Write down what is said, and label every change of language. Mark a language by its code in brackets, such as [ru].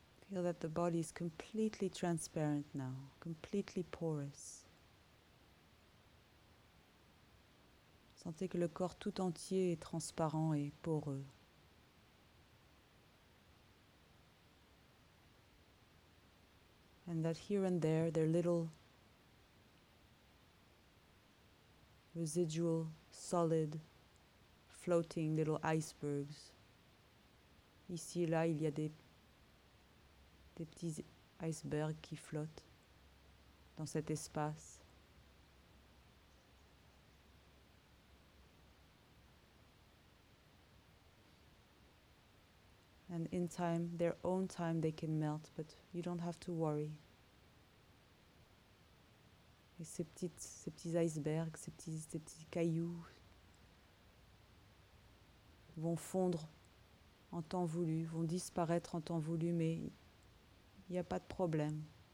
[en] Feel that the body is completely transparent now, completely porous. [fr] Sentez que le corps tout entier est transparent et poreux. [en] And that here and there, there are little residual, solid, floating little icebergs. [fr] Ici et là, il y a des petits icebergs qui flottent dans cet espace. [en] And in time, their own time, they can melt, but you don't have to worry. [fr] Et ces petits icebergs, ces petits cailloux vont fondre en temps voulu, vont disparaître en temps voulu, mais il n'y a pas de problème.